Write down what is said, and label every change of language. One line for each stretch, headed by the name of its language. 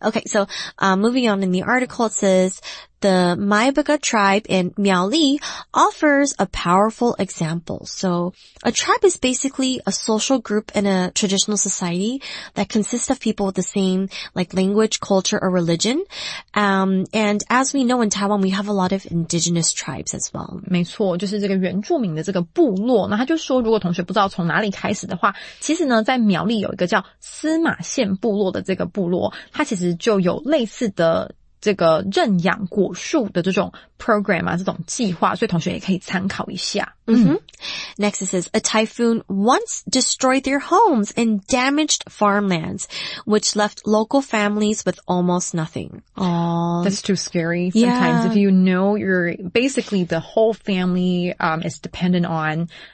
English: Okay, so moving on in the article, it says, the Maibaga tribe in Miaoli offers a powerful example. So a tribe is basically a social group in a traditional society that consists of people with the same like language, culture, or religion. And as we know in Taiwan, we have a lot of indigenous tribes as well.
Chinese: 没错，就是这个原住民的这个部落。那他就说，如果同学不知道从哪里开始的话，其实呢，在苗栗有一个叫司马县部落的这个部落，它其实就有类似的这个认养果树的这种 program 啊，这种计划，所以同学也可以参考一下。 Mm-hmm.
English: Next it says, a typhoon once destroyed their homes and damaged farmlands, which left local families with almost nothing. Oh, that's too scary sometimes. Yeah. If you know you're basically the whole family is dependent on